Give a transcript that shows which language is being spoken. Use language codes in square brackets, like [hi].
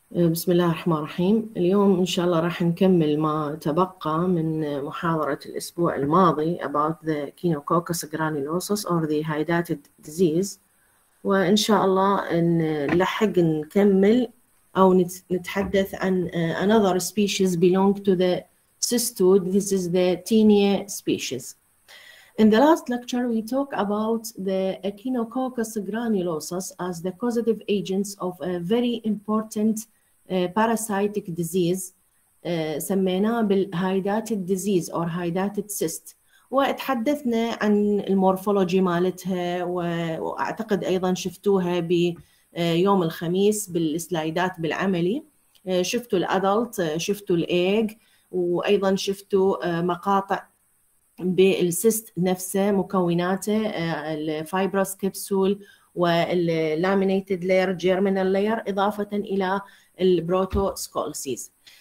[ar] بسم الله الرحمن الرحيم، اليوم إن شاء الله راح نكمل ما تبقى من محاضرة الأسبوع الماضي [en] about the Echinococcus granulosus or the hydatid disease، [ar] وإن شاء الله نلحق نكمل أو نتحدث عن [en] another species belong to the cystoid. This is the tinea species. In the last lecture, we talk about the Echinococcus granulosus as the causative agents of a very important parasitic disease. [ar] سميناه بالهايداتيد ديزيز أو هايداتيد سيست، وتحدثنا عن المورفولوجي مالتها، وأعتقد أيضا شفتوها ب يوم الخميس بالسلايدات بالعملي. شفتوا الأدلت، شفتوا الإيج، وأيضا شفتوا مقاطع بالسيست نفسه، مكوناته، الفايبروس كبسول واللامينيتد لاير جيرمينال لاير، إضافة إلى البروتو سكولسيز.